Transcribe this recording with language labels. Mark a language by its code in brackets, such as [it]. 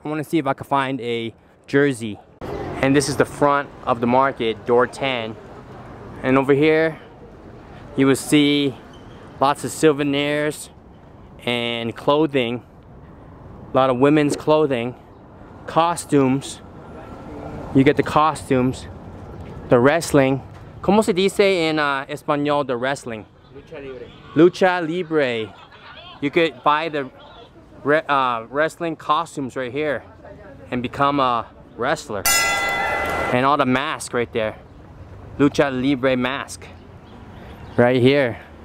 [en] I wanna see if I can find a jersey. And this is the front of the market, door 10. And over here, you will see lots of souvenirs and clothing, a lot of women's clothing, costumes. You get the costumes, the wrestling. [es] ¿Cómo se dice en español [en] the wrestling? [es] Lucha libre. Lucha libre. [en] You could buy the wrestling costumes right here and become a wrestler. And all the masks right there. Lucha Libre mask, right here.